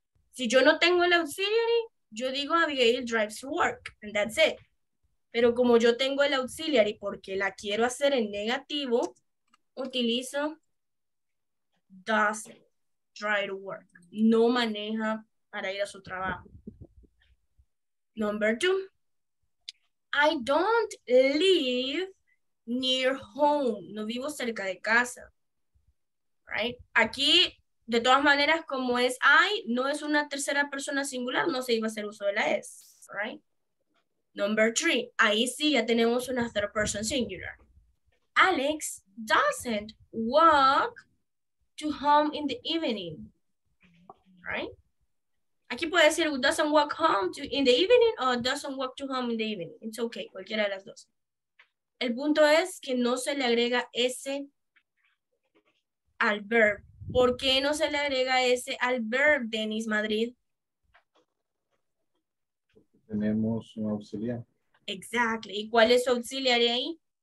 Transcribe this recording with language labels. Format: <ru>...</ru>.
<es>Si yo no tengo el auxiliary, yo digo</es> <en>Abigail drives to work, and that's it.</en> <es>Pero como yo tengo el auxiliary porque la quiero hacer en negativo, utilizo</es> <en>doesn't drive to work.</en> <es>No maneja para ir a su trabajo.</es> <en>Number two, I don't live near home.</en> <es>No vivo cerca de casa. Right? Aquí, de todas maneras, como es I, no es una tercera persona singular, no se iba a hacer uso de la S, right?</es> <en>Number three,</en> <es>ahí sí ya tenemos una</es> <en>third person singular. Alex doesn't walk to home in the evening, right?</en> <es>Aquí puede decir</es> <en>doesn't walk home to in the evening</en> <es>or doesn't walk to home in the evening.</es> <en>It's okay,</en> <es>cualquiera de las dos. El punto es que no se le agrega S al verb. ¿Por qué no se le agrega ese al verb, Denis Madrid? Tenemos un auxiliar.</es> <en>Exactly.</en> <es>¿Y cuál es su auxiliar ahí?</es>